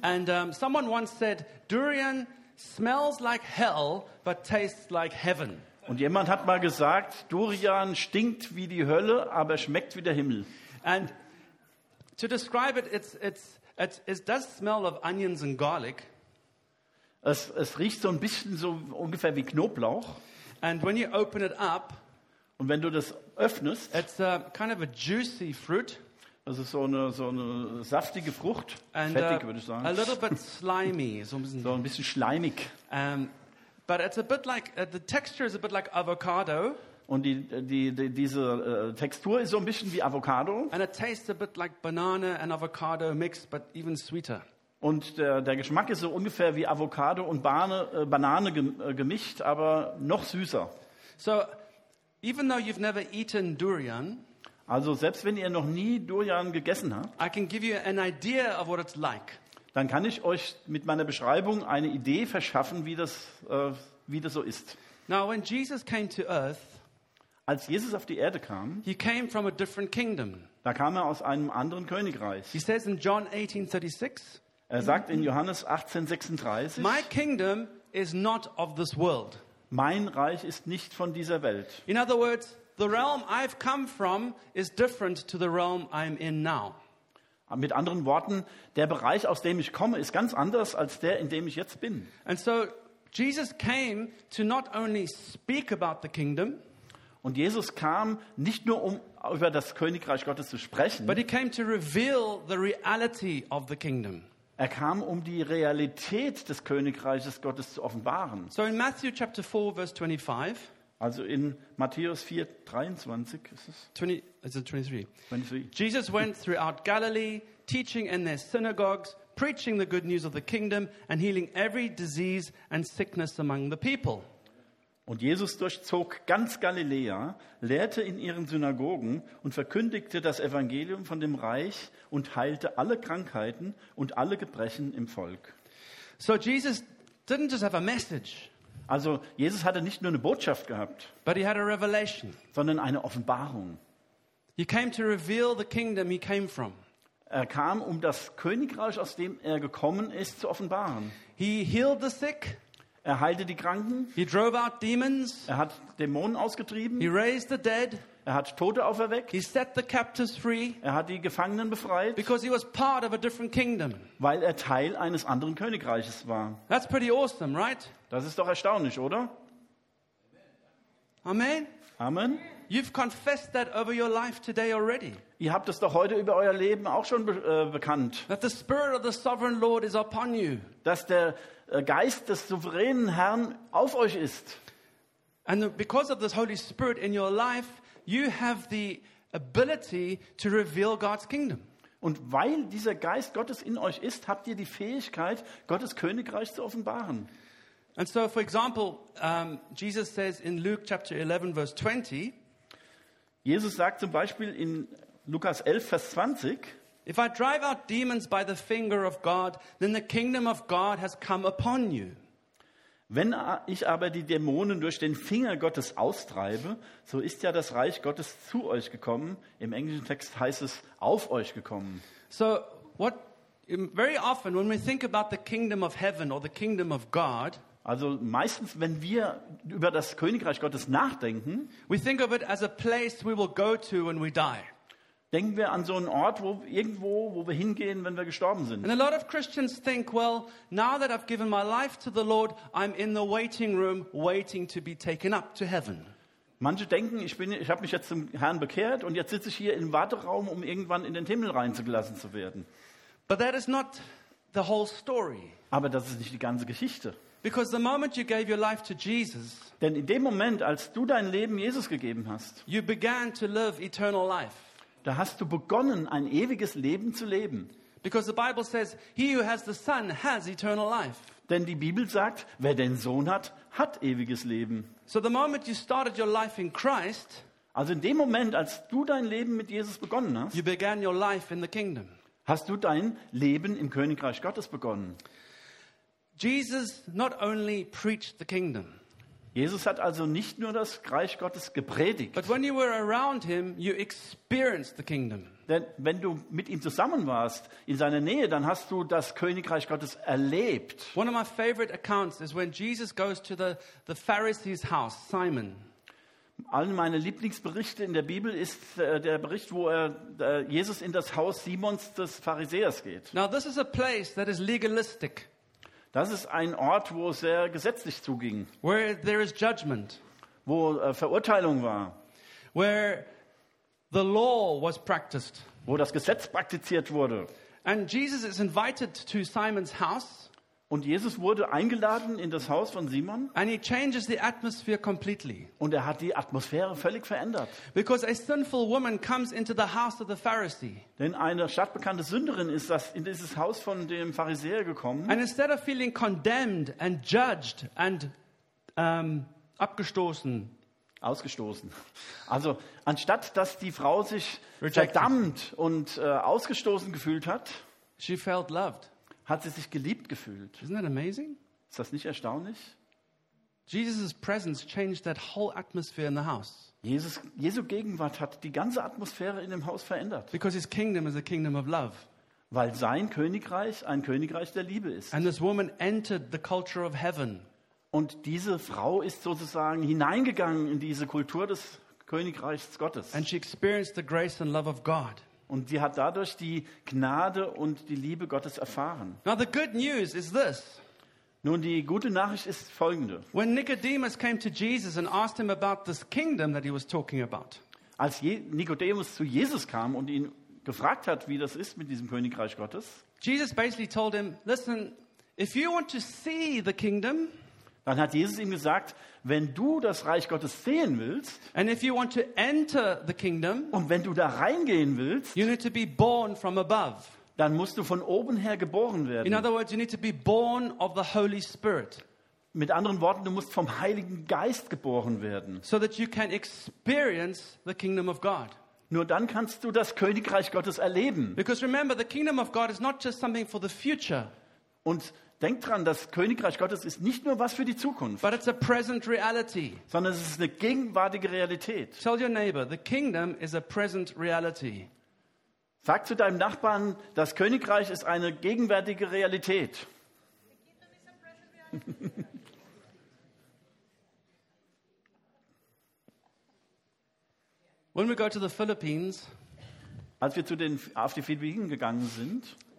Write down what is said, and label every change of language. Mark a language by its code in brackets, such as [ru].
[en] And someone once said, durian smells like hell, but tastes like heaven. [de] Und jemand hat mal gesagt, Durian stinkt wie die Hölle, aber schmeckt wie der Himmel. [en] And to describe it, it does smell of onions and garlic. [de] Es riecht so ein bisschen so ungefähr wie Knoblauch. [en] And when you open it up, [de] und wenn du das öffnest, [en] it's a kind of a juicy fruit. [de] Das ist so eine saftige Frucht, and fettig würde ich sagen. [en] A little bit slimy, [de] so ein bisschen schleimig. [en] But it's a bit like the texture is a bit like avocado. [de] Und diese Textur ist so ein bisschen wie Avocado. [en] And it tastes a bit like banana and avocado mixed, but even sweeter. [de] Und der Geschmack ist so ungefähr wie Avocado und Banane gemischt, aber noch süßer. [en] So, even though you've never eaten durian. [de] Also selbst wenn ihr noch nie Durian gegessen habt, [en] I can give you an idea of what it's like. [de] Dann kann ich euch mit meiner Beschreibung eine Idee verschaffen, wie das so ist. [en] Now when Jesus came to earth, [de] als Jesus auf die Erde kam, [en] he came from a different kingdom. [de] Da kam er aus einem anderen Königreich. [en] He says in John 18:36, [de] er sagt in Johannes 18:36, [en] my kingdom is not of this world. [de] Mein Reich ist nicht von dieser Welt. [en] In other words, the realm I've come from is different to the realm I'm in now. [de] Mit anderen Worten, der Bereich, aus dem ich komme, ist ganz anders als der, in dem ich jetzt bin. [en] And so Jesus came to not only speak about the kingdom. [de] Und Jesus kam nicht nur, um über das Königreich Gottes zu sprechen. [en] But he came to reveal the reality of the kingdom. [de] Er kam, um die Realität des Königreiches Gottes zu offenbaren. [en] So in Matthew chapter 4 verse 25. [de] Also in Matthäus 4, 23 ist es? [en] 23. Jesus went throughout Galilee, teaching in their synagogues, preaching the good news of the kingdom and healing every disease and sickness among the people. [de] Und Jesus durchzog ganz Galiläa, lehrte in ihren Synagogen und verkündigte das Evangelium von dem Reich und heilte alle Krankheiten und alle Gebrechen im Volk. [en] So Jesus didn't just have a message. [de] Also Jesus hatte nicht nur eine Botschaft gehabt, [en] but he had a revelation. [de] Sondern eine Offenbarung. [en] He came to reveal the kingdom he came from. [de] Er kam, um das Königreich, aus dem er gekommen ist, zu offenbaren. [en] He healed the sick. [de] Er heilte die Kranken. [en] He drove out demons. [de] Er hat Dämonen ausgetrieben. [en] He raised the dead. [de] Er hat Tote auferweckt. [en] He set the captives free. [de] Er hat die Gefangenen befreit. [en] Because he was part of a different kingdom. [de] Weil er Teil eines anderen Königreiches war. [en] That's pretty awesome, right? [de] Das ist doch erstaunlich, oder? [en] Amen. [de] Amen. [en] You've confessed that over your life today already. [de] Ihr habt es doch heute über euer Leben auch schon bekannt. [en] That the spirit of the sovereign Lord is upon you. [de] Dass der Geist des souveränen Herrn auf euch ist. [en] And because of this Holy Spirit in your life, you have the ability to reveal God's kingdom. [de] Und weil dieser Geist Gottes in euch ist, habt ihr die Fähigkeit, Gottes Königreich zu offenbaren. [en] And so for example, Jesus says in Luke chapter 11 verse 20, [de] Jesus sagt zum Beispiel in Lukas 11 Vers 20, [en] if I drive out demons by the finger of God, then the kingdom of God has come upon you. [de] Wenn ich aber die Dämonen durch den Finger Gottes austreibe, so ist ja das Reich Gottes zu euch gekommen. Im englischen Text heißt es auf euch gekommen. [en] So what very often when we think about the kingdom of heaven or the kingdom of God, [de] also meistens wenn wir über das Königreich Gottes nachdenken, [en] we think of it as a place we will go to when we die. [de] Denken wir an so einen Ort, wo wir hingehen, wenn wir gestorben sind. [en] And a lot of Christians think, well, now that I've given my life to the Lord, I'm in the waiting room waiting to be taken up to heaven. [de] Manche denken, ich habe mich jetzt zum Herrn bekehrt und jetzt sitze ich hier im Warteraum, um irgendwann in den Himmel reingelassen zu werden. [en] But that is not the whole story. [de] Aber das ist nicht die ganze Geschichte. [en] Because the moment you gave your life to Jesus, [de] denn in dem Moment, als du dein Leben Jesus gegeben hast, [en] you began to live eternal life. [de] Da hast du begonnen, ein ewiges Leben zu leben. [en] Because the Bible says, he who has the Son has eternal life. [de] Denn die Bibel sagt, wer den Sohn hat, hat ewiges Leben. [en] So the moment you started your life in Christ, [de] also in dem Moment, als du dein Leben mit Jesus begonnen hast, [en] you began your life in the kingdom. [de] Hast du dein Leben im Königreich Gottes begonnen. [en] Jesus not only preached the kingdom. [de] Jesus hat also nicht nur das Reich Gottes gepredigt. [en] But when you were around him, you experienced the kingdom. [de] Denn wenn du mit ihm zusammen warst, in seiner Nähe, dann hast du das Königreich Gottes erlebt. [en] One of my favorite accounts is when Jesus goes to the Pharisee's house, Simon. [de] Einer meiner Lieblingsberichte in der Bibel ist der Bericht, wo er Jesus in das Haus Simons des Pharisäers geht. [en] Now this is a place that is legalistic. [de] Das ist ein Ort, wo es sehr gesetzlich zuging. [en] Where there is judgment. [de] Wo Verurteilung war. [en] Where the law was practiced. [de] Wo das Gesetz praktiziert wurde. [en] And Jesus is invited to Simon's house. [de] Und Jesus wurde eingeladen in das Haus von Simon. [en] And he changes the atmosphere completely. [de] Und er hat die Atmosphäre völlig verändert. [en] Because a sinful woman comes into the house of the Pharisee. [de] Denn eine stadtbekannte Sünderin ist das in dieses Haus von dem Pharisäer gekommen. [en] And instead of feeling condemned and judged and [de] abgestoßen. Ausgestoßen. Also anstatt dass die Frau sich verdammt und ausgestoßen gefühlt hat, [en] she felt loved. [de] Hat sie sich geliebt gefühlt. [en] Isn't that amazing? [de] Ist das nicht erstaunlich? [en] Jesus' presence changed that whole atmosphere in the house. [de] Jesu Gegenwart hat die ganze Atmosphäre in dem Haus verändert. [en] Because his kingdom is a kingdom of love. [de] Weil sein Königreich ein Königreich der Liebe ist. [en] And this woman entered the culture of heaven. [de] Und diese Frau ist sozusagen hineingegangen in diese Kultur des Königreichs Gottes. [en] And she experienced the grace and love of God. [de] Und sie hat dadurch die Gnade und die Liebe Gottes erfahren. [en] Now the good news is this. [de] Nun die gute Nachricht ist folgende. [en] When Nicodemus came to Jesus and asked him about this kingdom that he was talking about. [de] Als Nicodemus zu Jesus kam und ihn gefragt hat, wie das ist mit diesem Königreich Gottes. [en] Jesus basically told him, listen, if you want to see the kingdom, [de] dann hat Jesus ihm gesagt, wenn du das Reich Gottes sehen willst, [en] and if you want to enter the kingdom, [de] und wenn du da reingehen willst, [en] you need to be born from above. [de] Dann musst du von oben her geboren werden. [en] In other words, you need to be born of the Holy Spirit. [de] Mit anderen Worten, du musst vom Heiligen Geist geboren werden. [en] So that you can experience the kingdom of God. [de] Nur dann kannst du das Königreich Gottes erleben. [en] Because remember, the kingdom of God is not just something for the future. [de] Und denk dran, das Königreich Gottes ist nicht nur was für die Zukunft, [en] but it's a present reality. [de] Sondern es ist eine gegenwärtige Realität. [en] Tell your neighbor, the kingdom is a present reality. [de] Sag zu deinem Nachbarn, das Königreich ist eine gegenwärtige Realität. [en] When we go to the Philippines, [de] als wir auf die Philippinen gegangen sind,